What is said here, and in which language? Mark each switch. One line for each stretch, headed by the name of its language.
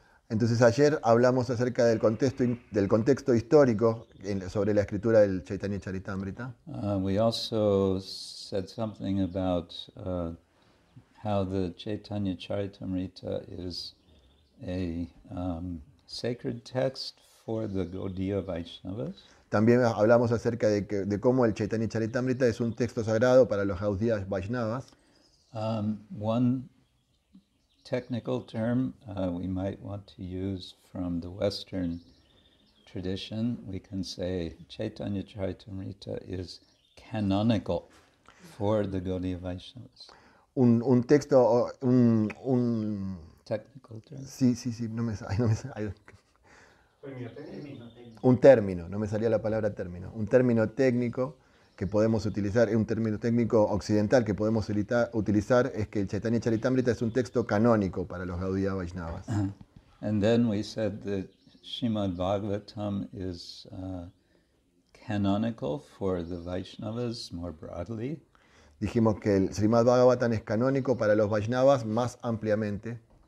Spanish: Entonces ayer hablamos acerca del contexto histórico sobre la escritura del Chaitanya Charitamrita.
English: We also said something about how the Chaitanya Charitamrita is a sacred text for the Gaudiya Vaishnavas.
Spanish: También hablamos acerca de cómo el Chaitanya Charitamrita es un texto sagrado para los Gaudiya Vaishnavas.
English: One technical term we might want to use from the Western tradition, we can say Chaitanya Charitamrita is canonical for the Gaudiya Vaishnavas.
Spanish: Un texto, un
English: technical term.
Spanish: Sí, no me sale. Un término, no me salía la palabra término. Un término técnico que podemos utilizar, un término técnico occidental que podemos utilizar es que el Chaitanya Charitamrita es un texto canónico para los Gaudiya Vaishnavas.
English: And then we said that Srimad Bhagavatam is canonical for the Vaishnavas more broadly.
Spanish: Dijimos que el Srimad Bhagavatam es canónico para los Vaishnavas más ampliamente.